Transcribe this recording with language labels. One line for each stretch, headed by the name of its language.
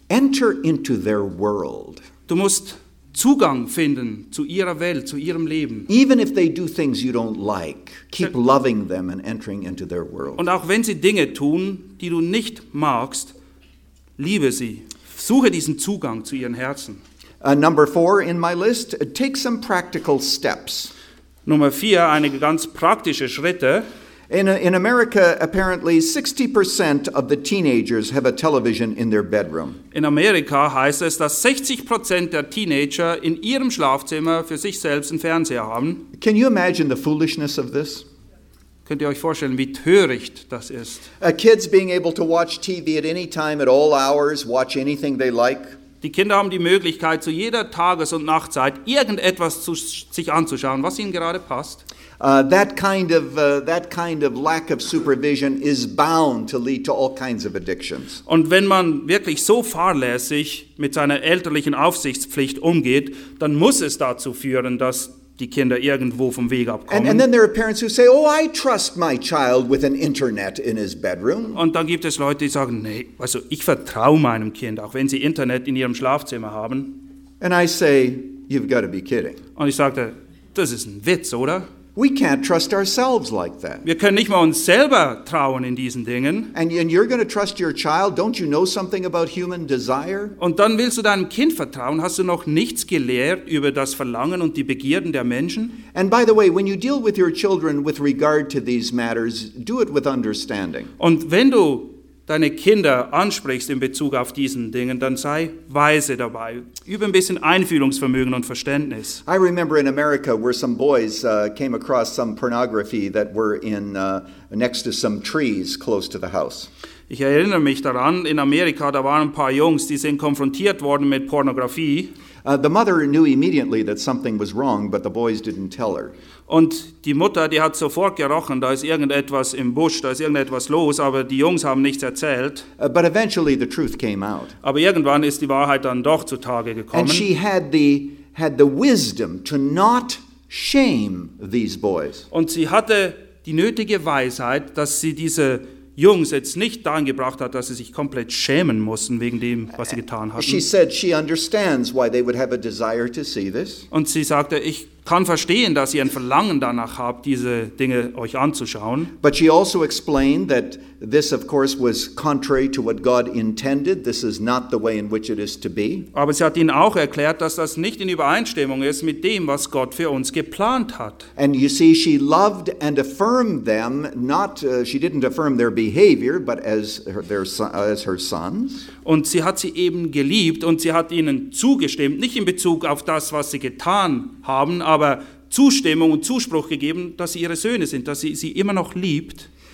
English: Enter into their world.
German: Du musst Zugang finden zu ihrer Welt, zu ihrem Leben.
English: Even if they do things you don't like, keep loving them and entering into their world.
German: Und auch wenn sie Dinge tun, die du nicht magst, liebe sie. Suche diesen Zugang zu ihren Herzen.
English: Number four in my list, take some practical steps.
German: Nummer vier, einige ganz praktische Schritte.
English: In America, apparently 60% of the teenagers have a television in their bedroom.
German: In Amerika heißt es, dass 60% der Teenager in ihrem Schlafzimmer für sich selbst einen Fernseher haben.
English: Can you imagine the foolishness of this?
German: Könnt ihr euch vorstellen, wie töricht das ist?
English: Kids being able to watch TV at any time, at all hours, watch anything they like.
German: Die Kinder haben die Möglichkeit, zu jeder Tages- und Nachtzeit irgendetwas zu sich anzuschauen, was ihnen gerade passt.
English: That kind of lack of supervision is bound to lead to all kinds of addictions.
German: Und wenn man wirklich so fahrlässig mit seiner elterlichen Aufsichtspflicht umgeht, dann muss es dazu führen, dass die Kinder irgendwo vom Weg abkommen.
English: And then there are parents who say, "Oh, I trust my child with an internet in his bedroom."
German: Und dann gibt es Leute, die sagen, nee, also ich vertraue meinem Kind, auch wenn sie Internet in ihrem Schlafzimmer haben.
English: And I say, "You've got to be kidding."
German: Und ich sagte, das ist ein Witz, oder?
English: We can't trust ourselves like that.
German: Wir können nicht mal uns selber trauen in diesen Dingen.
English: And you're going to trust your child? Don't you know something about human desire?
German: Und dann willst du deinem Kind vertrauen? Hast du noch nichts gelehrt über das Verlangen und die Begierden der Menschen?
English: And by the way, when you deal with your children with regard to these matters, do it with understanding.
German: Und wenn du deine Kinder ansprichst in Bezug auf diesen Dingen, dann sei weise dabei. Übe ein bisschen Einfühlungsvermögen und Verständnis.
English: I remember in America where some boys came across some pornography that were in next to some trees close to the house.
German: Ich erinnere mich daran, in Amerika, da waren ein paar Jungs, die sind konfrontiert worden mit Pornografie.
English: The mother knew immediately that something was wrong, but the boys didn't tell her.
German: Und die Mutter, die hat sofort gerochen, da ist irgendetwas im Busch, da ist irgendetwas los, aber die Jungs haben nichts erzählt.
English: But eventually the truth came out.
German: Aber irgendwann ist die Wahrheit dann doch zutage gekommen.
English: And she had the wisdom to not shame these boys.
German: Und sie hatte die nötige Weisheit, dass sie diese Jungs jetzt nicht dahin gebracht hat, dass sie sich komplett schämen mussten wegen dem, was sie getan hatten.
English: She said she understands why they would have a desire to see this.
German: Und sie sagte, ich kann verstehen, dass ihr ein Verlangen danach habt, diese Dinge euch anzuschauen.
English: But she also explained that this of course was contrary to what God intended. This is not the way in which it is to be.
German: Aber sie hat ihnen auch erklärt, dass das nicht in Übereinstimmung ist mit dem, was Gott für uns geplant hat.
English: And you see, she loved and affirmed them, not she didn't affirm their behavior, but as her sons.
German: Und sie hat sie eben geliebt und sie hat ihnen zugestimmt, nicht in Bezug auf das, was sie getan haben, aber Zustimmung und Zuspruch gegeben, dass sie ihre Söhne sind, dass sie sie immer noch liebt.